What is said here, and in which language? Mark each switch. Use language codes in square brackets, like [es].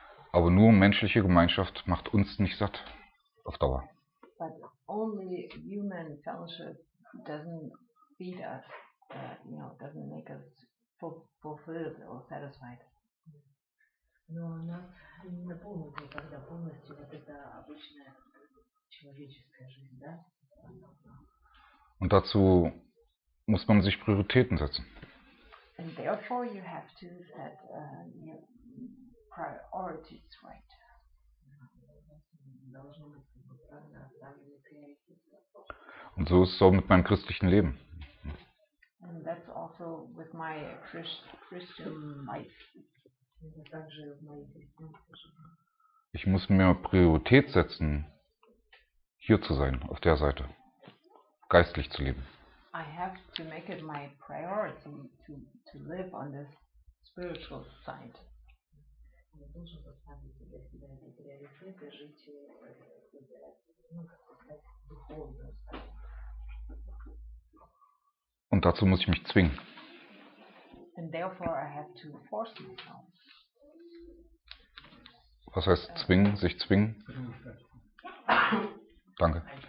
[de] Aber nur menschliche Gemeinschaft macht uns nicht satt auf Dauer. [en] But only human fellowship doesn't feed us, you know, doesn't make us fulfilled or satisfied. [ru] Но она именно полностью, когда полностью вот это обычная человеческая жизнь, да? [de] Und dazu muss man sich Prioritäten setzen. [en] And therefore you have to set your priorities right. [de] Und so ist es auch mit meinem christlichen Leben. [en] And that's also with my Christian life. [de] Ich muss mir Priorität setzen, hier zu sein, auf der Seite, geistlich zu leben. [en] I have to make it my priority to live on this spiritual side. [de] Und dazu muss ich mich zwingen. [en] And therefore I have to force myself. [de] Was heißt zwingen, sich zwingen? Danke.